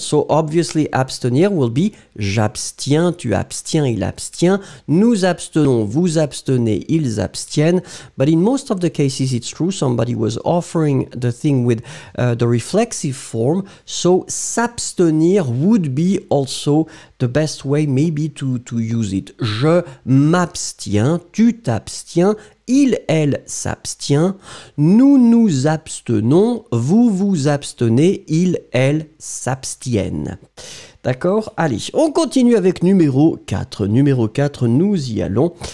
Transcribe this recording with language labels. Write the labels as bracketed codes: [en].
[en] So obviously, abstenir will be j'abstiens, tu abstiens, il abstient, nous abstenons, vous abstenez, ils abstiennent. But in most of the cases, it's true. Somebody was offering the thing with the reflexive form. So s'abstenir would be also the best way maybe to use it. [fr] Je m'abstiens, tu t'abstiens, il, elle s'abstient, nous nous abstenons, vous vous abstenez, il, elle s'abstiennent. D'accord? Allez, on continue avec numéro 4. Numéro 4, nous y allons.